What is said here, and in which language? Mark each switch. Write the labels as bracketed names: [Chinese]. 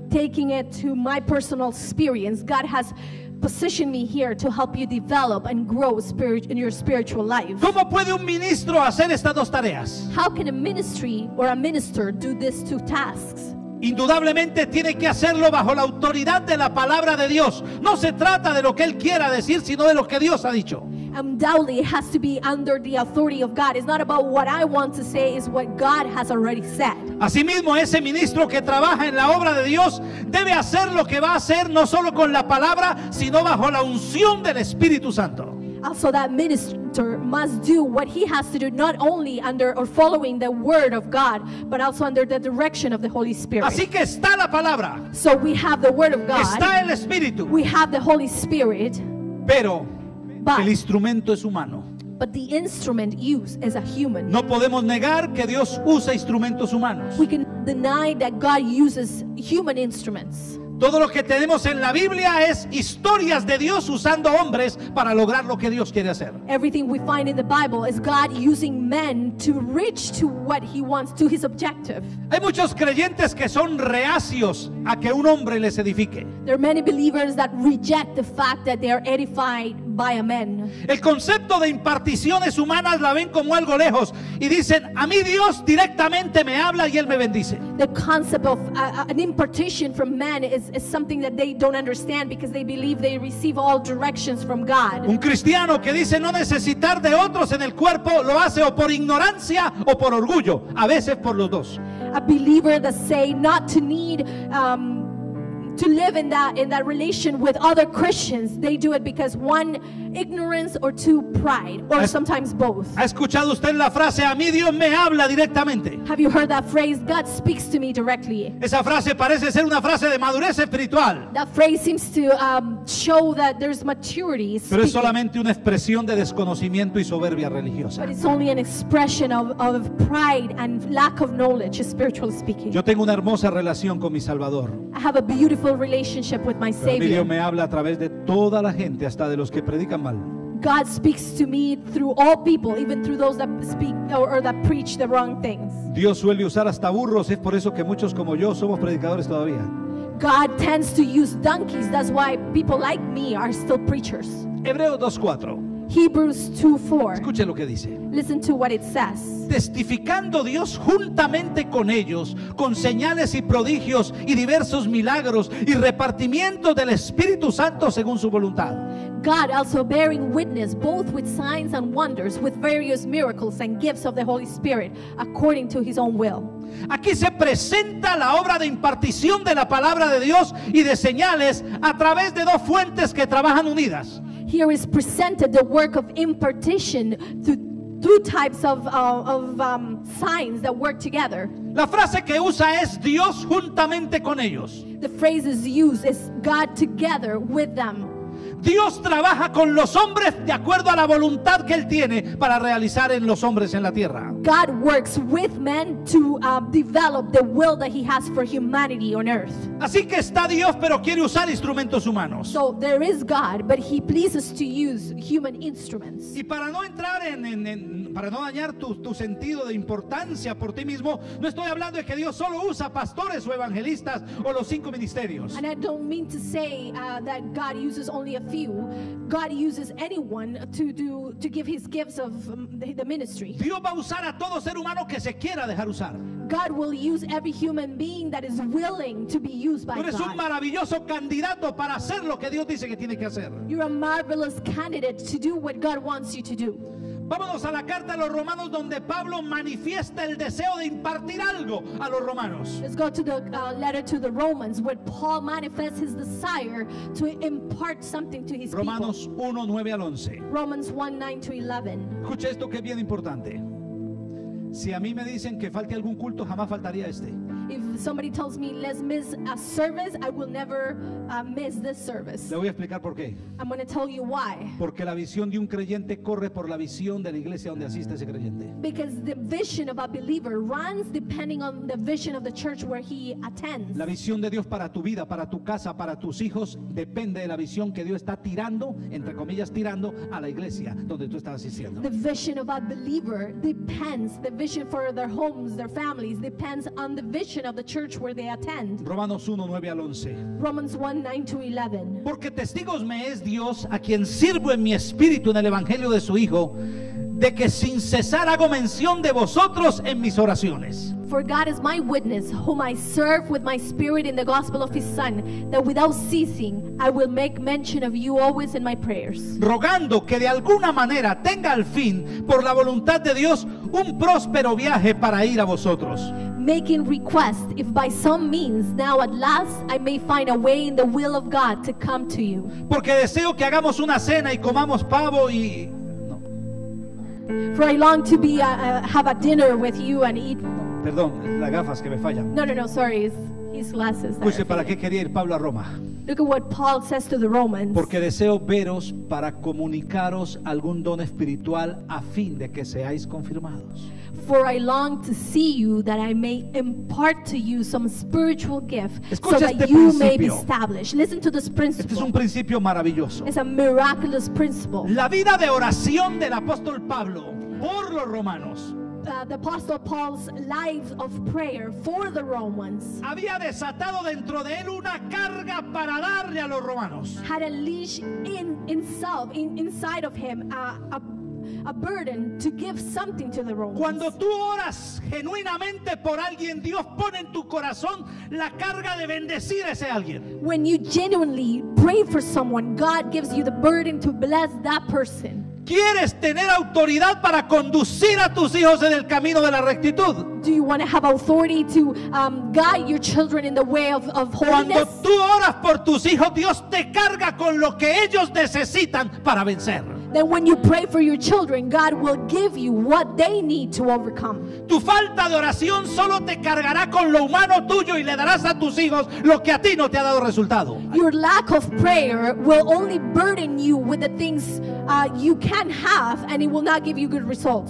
[English] Taking it to my personal experience, God has position me here to help you develop and grow spirit in your spiritual life. [Spanish] ¿Cómo puede un ministro hacer estas dos tareas? [English] How can a ministry or a minister do these two tasks? [Spanish] Indudablemente tiene que hacerlo bajo la autoridad de la palabra de Dios. No se trata de lo que él quiera decir, sino de lo que Dios ha dicho. [English] Undoubtedly, it has to be under the authority of God. It's not about what I want to say, it's what God has already said. [Spanish] Asimismo, ese ministro que trabaja en la obra de Dios debe hacer lo que va a hacer, no solo con la palabra, sino bajo la unción del Espíritu Santo. [English] Also, that ministry, hunter must do what he has to do, not only under or following the word of God, but also under the direction of the Holy Spirit. [Spanish] Así que está la palabra. [English] So we have the word of God. [Spanish] Está el Espíritu. [English] We have the Holy Spirit. [Spanish] Pero el instrumento es humano. [English] But the instrument used is a human. [Spanish] No podemos negar que Dios usa instrumentos humanos. [English] We can deny that God uses human instruments. [Spanish] Todo lo que tenemos en la Biblia es historias de Dios usando hombres para lograr lo que Dios quiere hacer. [English] Everything we find in the Bible is God using men to reach to what he wants, to his objective. [Spanish] Hay muchos creyentes que son reacios a que un hombre les edifique. [English] There are many believers that reject the fact that they are edified by a man. [Spanish] El concepto de imparticiones humanas la ven como algo lejos y dicen, a mí Dios directamente me habla y él me bendice. [English] The concept of an impartition from man is something that they don't understand because they believe they receive all directions from God. [Spanish] Un cristiano que dice no necesitar de otros en el cuerpo lo hace o por ignorancia o por orgullo, a veces por los dos. [English] A believer that say not to need to live in that relation with other Christians, they do it because one, ignorance, or two, pride, or sometimes both. [Spanish] ¿Ha escuchado usted la frase, a mí Dios me habla directamente? [English] Have you heard that phrase, God speaks to me directly? [Spanish] Esa frase parece ser una frase de madurez espiritual. [English] That phrase seems to show that there's maturity speaking. [Spanish] Pero es solamente una expresión de desconocimiento y soberbia religiosa. [English] But it's only an expression of pride and lack of knowledge, spiritually speaking. [Spanish] Yo tengo una hermosa relación con mi Salvador. [English] I have a beautiful relationship with my Savior. [Spanish] Pero Dios me habla a través de toda la gente, hasta de los que predican mal. [English] God speaks to me through all people, even through those that speak or that preach the wrong things. [Spanish] Dios suele usar hasta burros, es por eso que muchos como yo somos predicadores todavía. [English] God tends to use donkeys, that's why people like me are still preachers. [Spanish] Hebreos 2:4. [English] Hebrews 2:4. [Spanish] Escuche lo que dice. [English] Listen to what it says. [Spanish] Testificando Dios juntamente con ellos, con señales y prodigios y diversos milagros y repartimiento del Espíritu Santo según su voluntad. [English] God also bearing witness both with signs and wonders, with various miracles and gifts of the Holy Spirit according to his own will. [Spanish] Aquí se presenta la obra de impartición de la palabra de Dios y de señales a través de dos fuentes que trabajan unidas. [English] Here is presented the work of impartition through two types of signs that work together. [Spanish] La frase que usa es Dios juntamente con ellos. [English] The phrase is used is God together with them. [Spanish] Dios trabaja con los hombres de acuerdo a la voluntad que él tiene para realizar en los hombres en la tierra. [English] God works with men to develop the will that he has for humanity on earth. [Spanish] Así que está Dios, pero quiere usar instrumentos humanos. [English] So there is God, but he pleases to use human instruments. [Spanish] Y para no entrar en para no dañar tu sentido de importancia por ti mismo, no estoy hablando de que Dios solo usa pastores o evangelistas o los cinco ministerios. [English] And I don't mean to say that God uses only a few. God uses anyone to give his gifts of the ministry. [Spanish] Dios va a usar a todo ser humano que se quiera dejar usar. [English] God will use every human being that is willing to be used by God. [Spanish] Tú eres un maravilloso candidato para hacer lo que Dios dice que tiene que hacer. [English] You're a marvelous candidate to do what God wants you to do. [Spanish] Vámonos a la carta a los Romanos, donde Pablo manifiesta el deseo de impartir algo a los Romanos. [English] Let's go to the letter to the Romans, where Paul manifests his desire to impart something to his [Spanish] Romanos [English] people. [Spanish] Romanos 1:9 al 11. [English] Romans 1:9-11. [Spanish] Escucha esto que es bien importante. Si a mí me dicen que falte algún culto, jamás faltaría este. [English] If somebody tells me let's miss a service, I will never miss this service. [Spanish] Le voy a explicar por qué. [English] I'm going to tell you why. [Spanish] Porque la visión de un creyente corre por la visión de la iglesia donde asiste ese creyente. [English] Because the vision of a believer runs depending on the vision of the church where he attends. [Spanish] La visión de Dios para tu vida, para tu casa, para tus hijos depende de la visión que Dios está tirando, entre comillas tirando, a la iglesia donde tú estás asistiendo. [English] The vision of a believer depends, the vision for their homes, their families depends on the vision of the church where they attend. [Spanish] Romanos 1:9 al 11. [English] Romans 1:9-11. [Spanish] Porque testigos me es Dios, a quien sirvo en mi espíritu en el evangelio de su hijo, de que sin cesar hago mención de vosotros en mis oraciones. [English] For God is my witness, whom I serve with my spirit in the gospel of his son, that without ceasing I will make mention of you always in my prayers. [Spanish] Rogando que de alguna manera tenga al fin, por la voluntad de Dios, un próspero viaje para ir a vosotros. [English] Making request, if by some means now at last I may find a way in the will of God to come to you. [Spanish] Porque deseo que hagamos una cena y comamos pavo y... No. [English] For I long to be have a dinner with you and eat. [Spanish] Perdón, las gafas que me fallan. [English] No, sorry, it's his glasses. [Spanish] Escuche, ¿para qué quería ir Pablo a Roma? [English] Look at what Paul says to the Romans. [Spanish] Porque deseo veros para comunicaros algún don espiritual a fin de que seáis confirmados. [English] For I long to see you that I may impart to you some spiritual gift. [Spanish] Escucha, [English] so that [Spanish] este [English] you [Spanish] principio. [English] May be established. Listen to this principle. [Spanish] Este es un principio maravilloso. [English] It's a miraculous principle. [Spanish] La vida de oración del apóstol Pablo por los romanos. [English] The apostle Paul's life of prayer for the Romans [Spanish] había desatado dentro de él una carga para darle a los romanos. [English] Had a leash inside of him a burden to give something to the Romans. [Spanish] Cuando tú oras genuinamente por alguien, Dios pone en tu corazón la carga de bendecir a ese alguien. [English] When you genuinely pray for someone, God gives you the burden to bless that person. [Spanish] ¿Quieres tener autoridad para conducir a tus hijos en el camino de la rectitud? [English] Do you want to have authority to guide your children in the way of holiness? [Spanish] Cuando tú oras por tus hijos, Dios te carga con lo que ellos necesitan para vencer. [English] Then when you pray for your children, God will give you what they need to overcome. [Spanish] Tu falta de oración solo te cargará con lo humano tuyo y le darás a tus hijos lo que a ti no te ha dado resultado. [English] Your lack of prayer will only burden you with the things you can have, and it will not give you good results.